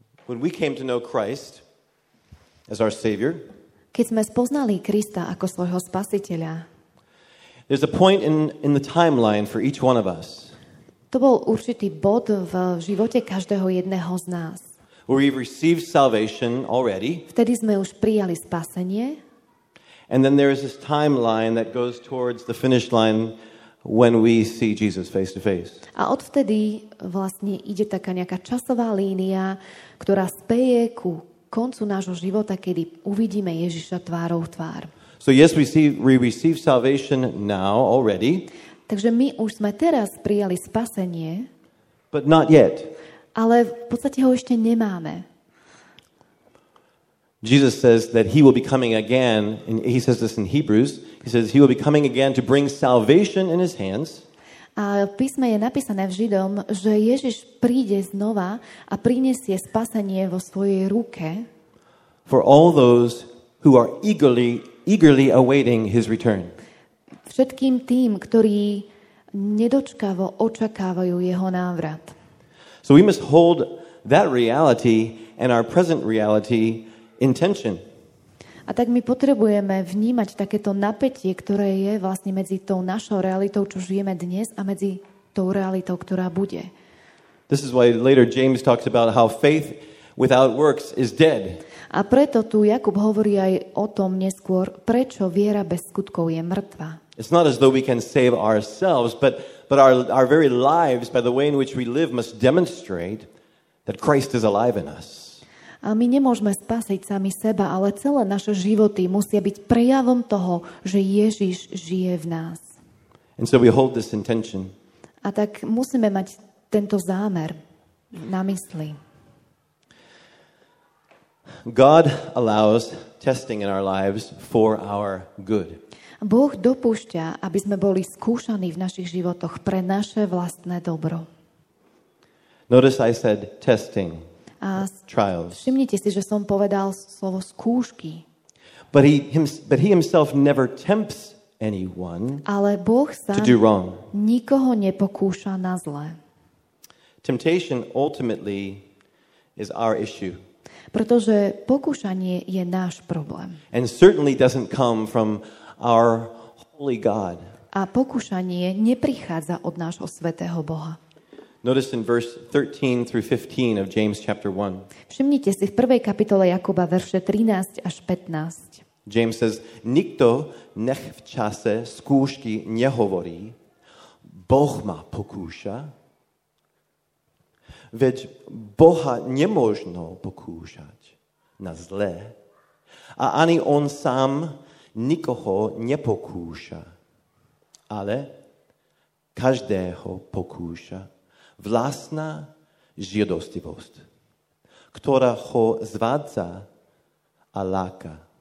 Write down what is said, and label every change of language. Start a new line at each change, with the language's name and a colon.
English: When we came to know Christ as our savior,
Slovak: keď sme spoznali Krista ako svojho spasiteľa,
English: there's a point in the timeline for each one of us.
Slovak: To bol určitý bod v živote každého jedného z nás.
English: We received salvation already.
Slovak: Vtedy sme už prijali spasenie.
English: And then there is this timeline that goes towards the finish line when we see Jesus face to face.
Slovak: A odvtedy vlastne ide taká nejaká časová línia, ktorá speje ku koncu nášho života, kedy uvidíme Ježiša tvárou v tvár.
English: So yes, we receive salvation now already.
Slovak: Takže my už sme teraz prijali spasenie.
English: But not yet.
Slovak: Ale v podstate ho ešte nemáme.
English: Jesus says that he will be coming again, and he says this in Hebrews, he says he will be coming again to bring salvation in his hands.
Slovak: A v písme je napísané v Židom, že Ježiš príde znova a prinesie spasenie vo svojej ruke.
English: For all those who are eagerly awaiting his return.
Slovak: Všetkým tým, ktorí nedočkavo očakávajú jeho návrat.
English: So we must hold that reality and our present reality intention.
Slovak: A tak my potrebujeme vnímať takéto napätie, ktoré je vlastne medzi tou našou realitou, čo žijeme dnes, a medzi tou realitou, ktorá bude.
English: This is why later James talks about how faith without works is dead.
Slovak: A preto tu Jakub hovorí aj o tom neskôr, prečo viera bez skutkov je mŕtva.
English: It's not as though we can save ourselves, but our very lives, by the way in which we live, must demonstrate that Christ is alive in us.
Slovak: A my nemôžeme spasiť sami seba, ale celé naše životy musia byť prejavom toho, že Ježiš žije v nás.
English: And so we hold this intention.
Slovak: A tak musíme mať tento zámer na mysli.
English: God allows testing in our lives for our good.
Slovak: Boh dopúšťa, aby sme boli skúšaní v našich životoch pre naše vlastné dobro.
English: Notice I said testing. Trials.
Slovak: Všimnite si, že som povedal slovo skúšky.
English: But he himself never tempts anyone.
Slovak: Ale Boh sa
English: to do wrong.
Slovak: Nikoho nepokúša na zlé.
English: Temptation ultimately is our issue.
Slovak: Pretože pokúšanie je náš problém.
English: And certainly doesn't come from our holy God.
Slovak: A pokúšanie neprichádza od nášho svätého Boha.
English: Notice in verse 13 through 15 of James chapter 1.
Slovak: Všimnite si v prvej kapitole Jakuba verše 13 až 15.
English: James says,
Slovak: nikto nech v čase skúšky nehovorí, Boh ma pokúša, veď Boha nemožno pokúšať na zlé a ani on sám nikoho nepokúša, ale každého pokúša vlastná žiadostivosť, ktorá ho zvádza a láka.